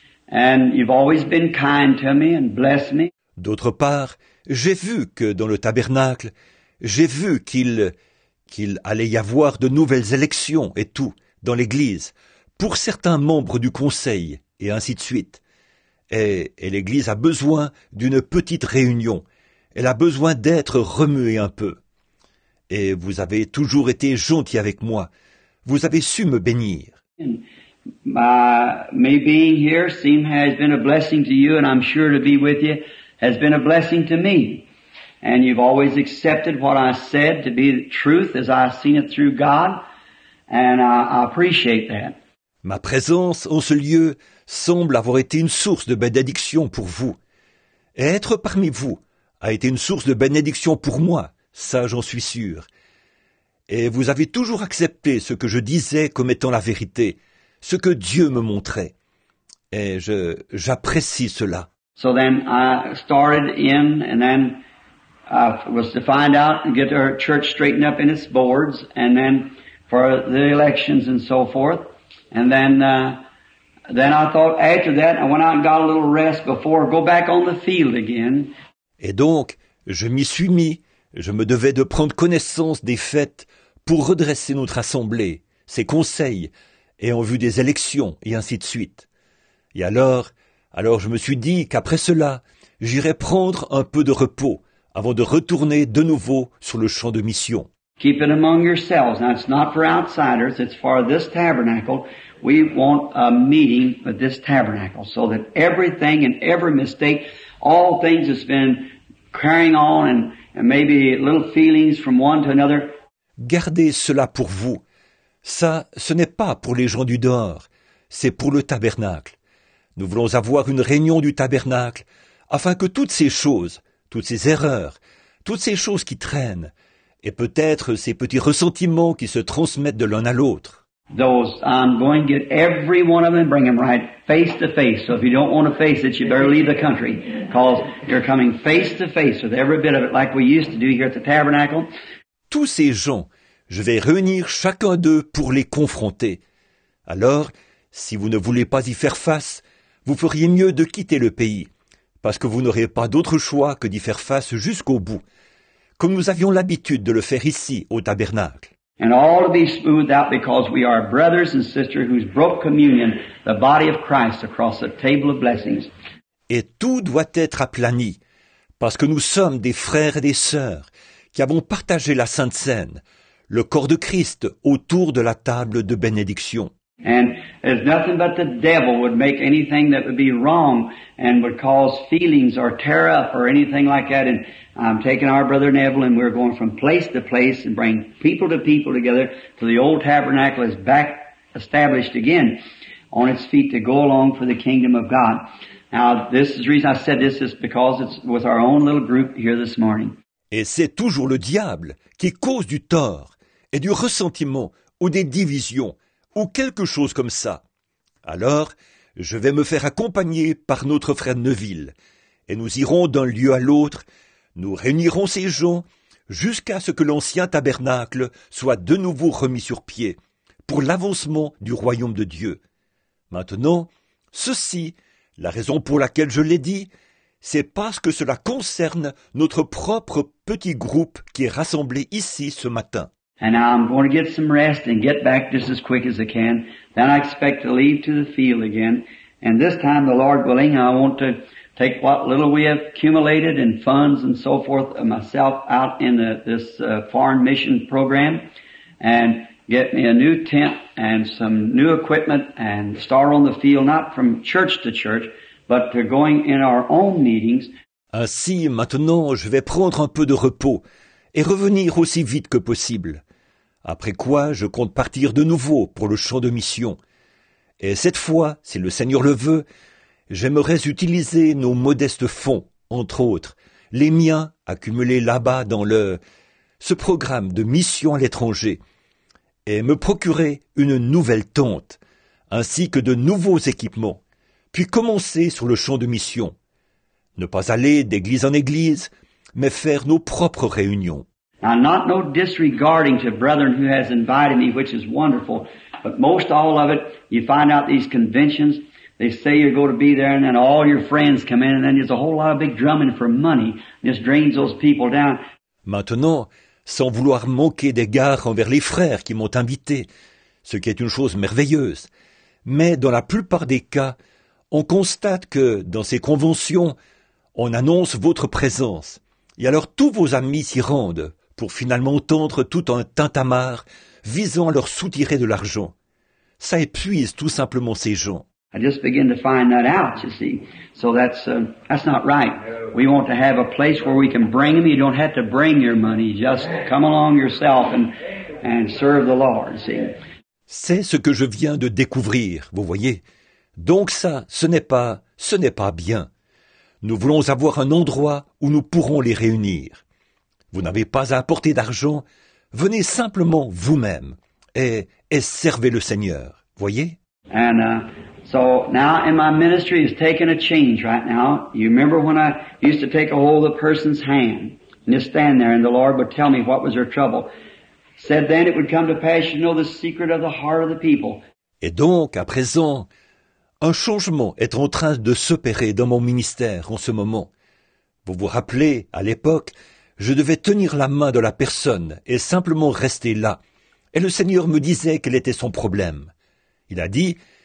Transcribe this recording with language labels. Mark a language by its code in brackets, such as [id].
[en] And you've always been kind to me and blessed me. [fr] D'autre part, j'ai vu que dans le tabernacle, j'ai vu qu'il qu'il allait y avoir de nouvelles élections et tout, dans l'Église, pour certains membres du Conseil, et ainsi de suite. Et l'Église a besoin d'une petite réunion. Elle a besoin d'être remuée un peu. Et vous avez toujours été gentil avec moi. Vous avez su me bénir. [en] Me being here seem has been a blessing to you, and I'm sure to be with you has been a blessing to me. And you've always accepted what I said to be the truth as I've seen it through God, and I appreciate that. [fr] Ma présence en ce lieu semble avoir été une source de bénédiction pour vous. Et être parmi vous a été une source de bénédiction pour moi, ça j'en suis sûr. Et vous avez toujours accepté ce que je disais comme étant la vérité, ce que Dieu me montrait. Et j'apprécie cela. [en] So then I started in and then was to find out and get our church straightened up in its boards and then for the elections and so forth. And then I thought after that I went out and got a little rest before go back on the field again. [fr] Et donc, je m'y suis mis, je me devais de prendre connaissance des faits pour redresser notre assemblée, ses conseils, et en vue des élections, et ainsi de suite. Et alors je me suis dit qu'après cela, j'irais prendre un peu de repos avant de retourner de nouveau sur le champ de mission. [en] Keep it among yourselves. Now it's not for outsiders, it's for this tabernacle. We want a meeting with this tabernacle so that everything and every mistake, all things that's been carrying on and maybe little feelings from one to another. [fr] Gardez cela pour vous. Ça, ce n'est pas pour les gens du dehors, c'est pour le tabernacle. Nous voulons avoir une réunion du tabernacle afin que toutes ces choses, toutes ces erreurs, toutes ces choses qui traînent, et peut-être ces petits ressentiments qui se transmettent de l'un à l'autre. [en] Those, I'm going to get every one of them, bring them right face to face. So if you don't want to face it, you better leave the country. Because you're coming face to face with every bit of it, like we used to do here at the tabernacle. [fr] Tous ces gens, je vais réunir chacun d'eux pour les confronter. Alors, si vous ne voulez pas y faire face, vous feriez mieux de quitter le pays, parce que vous n'aurez pas d'autre choix que d'y faire face jusqu'au bout, comme nous avions l'habitude de le faire ici, au tabernacle. [en] And all to be smoothed out because we are brothers and sisters who broke communion, the body of Christ, across the table of blessings. [fr] Et tout doit être aplani, parce que nous sommes des frères et des sœurs qui avons partagé la Sainte Cène, le corps de Christ, autour de la table de bénédiction. [en] And there's nothing but the devil would make anything that would be wrong and would cause feelings or tear up or anything like that. And I'm taking our brother Neville and we're going from place to place and bring people to people together till the old tabernacle is back established again on its feet to go along for the kingdom of God. Now, this is the reason I said this is because it's with our own little group here this morning. [fr] Et c'est toujours le diable qui cause du tort et du ressentiment ou des divisions ou quelque chose comme ça. Alors, je vais me faire accompagner par notre frère Neville, et nous irons d'un lieu à l'autre, nous réunirons ces gens, jusqu'à ce que l'ancien tabernacle soit de nouveau remis sur pied, pour l'avancement du royaume de Dieu. Maintenant, ceci, la raison pour laquelle je l'ai dit, c'est parce que cela concerne notre propre petit groupe qui est rassemblé ici ce matin. [en] And now I'm going to get some rest and get back just as quick as I can. Then I expect to leave to the field again. And this time, the Lord willing, I want to take what little we have accumulated in funds and so forth myself out in this foreign mission program and get me a new tent and some new equipment and start on the field, not from church to church, but to going in our own meetings. [fr] Ainsi, maintenant, je vais prendre un peu de repos et revenir aussi vite que possible. Après quoi, je compte partir de nouveau pour le champ de mission. Et cette fois, si le Seigneur le veut, j'aimerais utiliser nos modestes fonds, entre autres, les miens accumulés là-bas dans ce programme de mission à l'étranger, et me procurer une nouvelle tente, ainsi que de nouveaux équipements, puis commencer sur le champ de mission. Ne pas aller d'église en église, mais faire nos propres réunions. [en] Now, not no disregarding to brethren who has invited me, which is wonderful, but most all of it, you find out these conventions, they say you're going to be there, and then all your friends come in, and then there's a whole lot of big drumming for money, and this drains those people down. [fr] Maintenant, sans vouloir manquer d'égard envers les frères qui m'ont invité, ce qui est une chose merveilleuse. Mais dans la plupart des cas, on constate que, dans ces conventions, on annonce votre présence. Et alors tous vos amis s'y rendent, pour finalement entendre tout un tintamarre visant à leur soutirer de l'argent. Ça épuise tout simplement ces gens. [en] I just begin to find that out, you see. So that's not right. We want to have a place where we can bring them. You don't have to bring your money. Just come along yourself and serve the Lord, see. [fr] C'est ce que je viens de découvrir, vous voyez. Donc ça, ce n'est pas bien. Nous voulons avoir un endroit où nous pourrons les réunir. Vous n'avez pas à apporter d'argent. Venez simplement vous-même et servez le Seigneur, voyez. [en] So now in my ministry is taking a change right now. You remember when I used to take a hold of a person's hand and just stand there and the Lord would tell me what was their trouble. Said then it would come to pass, you know, the secret of the heart of the people. [fr] Et donc, à présent, un changement est en train de s'opérer dans mon ministère en ce moment. Vous vous rappelez, à l'époque, je devais tenir la main de la personne et simplement rester là. Et le Seigneur me disait quel était son problème. Il a dit...